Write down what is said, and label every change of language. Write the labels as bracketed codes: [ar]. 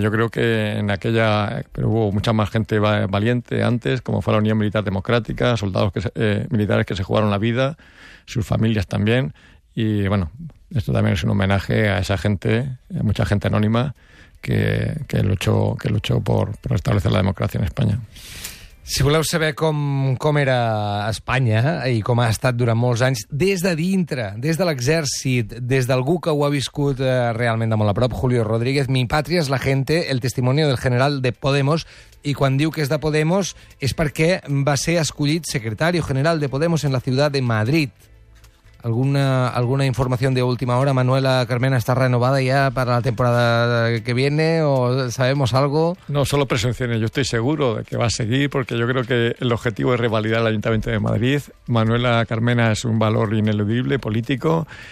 [es] Yo creo que en aquella... Pero hubo mucha más gente valiente antes, como fue la Unión Militar Democrática, soldados militares que se jugaron la vida, sus familias también, y bueno... Esto también es un homenaje a esa gente, a mucha gente anónima, que luchó por restablecer la [ca] democràcia en Espanya. Si voleu saber com era Espanya i com ha estat durant molts anys, des de dintre, des de l'exèrcit, des d'algú que ho ha viscut realment de molt a prop, Julio Rodríguez, Mi patria es la gente, el testimonio del general de Podemos, i quan diu que és de Podemos és perquè va ser escollit secretari general de Podemos en la ciutat de Madrid. [es] ¿Alguna información de última hora, Manuela Carmena, está renovada ya para la temporada que viene o sabemos algo? No, solo presunciones. Yo estoy seguro de que va a seguir porque yo creo que el objetivo es revalidar el Ayuntamiento de Madrid. Manuela Carmena es un valor ineludible político.